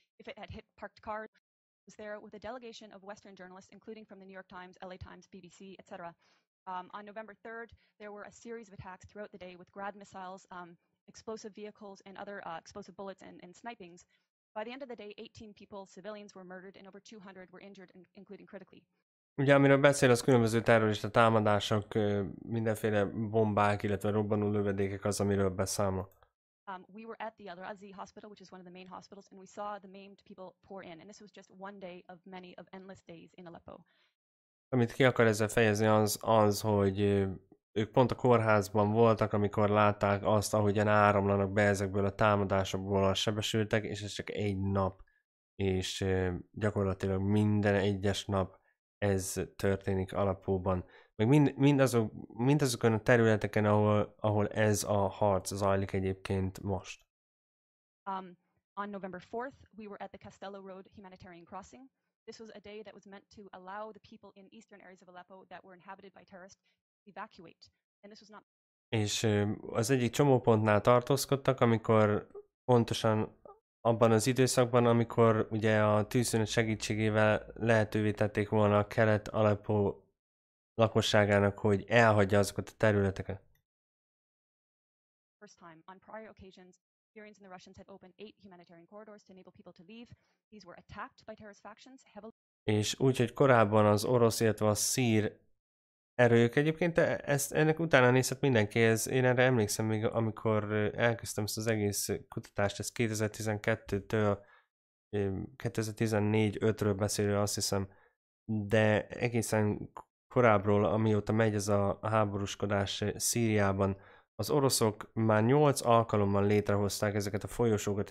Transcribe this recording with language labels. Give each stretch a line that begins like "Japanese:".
English: If it had hit parked cars, I was there with a delegation of Western journalists, including from the New York Times, LA Times, BBC, etc. On November 3rd, there were a series of attacks throughout the day with Grad missiles, explosive vehicles, and other explosive bullets and snipings. By the end of the day, 18 people, civilians were murdered and over 200 were injured, including critically.
Hungarian: Ugye, amiről beszél, az különböző terrorista támadások, mindenféle bombák, illetve robbanó lövedékek az, amiről beszámol.
English: We were at the Al-Razi hospital, which is one of the main hospitals, and we saw the maimed people pour in. And this was just one day of many of endless days in Aleppo.
Hungarian: Amit ki akar ezzel fejezni, az, hogy ők pont a kórházban voltak, amikor látták azt, ahogyan áramlanak be ezekből a támadásokból a sebesültek, és ez csak egy nap, és gyakorlatilag minden egyes nap ez történik Aleppóban. Meg mindazokon a területeken, ahol ez a harc zajlik egyébként most.
English: On November 4th, we were at the Castello Road Humanitarian Crossing. This was a day that was meant to allow the people in eastern areas of Aleppo that were inhabited by terrorists to evacuate. And this was not...
Hungarian: És az egyik csomópontnál tartózkodtak, amikor pontosan abban az időszakban, amikor ugye a tűzszünet segítségével lehetővé tették volna a kelet Aleppo lakosságának, hogy elhagyja azokat a területeket.
English: First time on prior occasions, Syrians and the Russians had opened 8 humanitarian corridors to enable people to leave. These were attacked by terrorist factions heavily.
Hungarian: És úgy, hogy korábban az orosz, illetve a szír erők egyébként, ennek utána nézhet mindenki, én erre emlékszem még, amikor elkezdtem ezt az egész kutatást, ez 2012-től 2014-5-ről beszélő, azt hiszem, de egészen korábbról, amióta megy ez a háborúskodás Szíriában, az oroszok már 8 alkalommal létrehozták ezeket a folyosókat.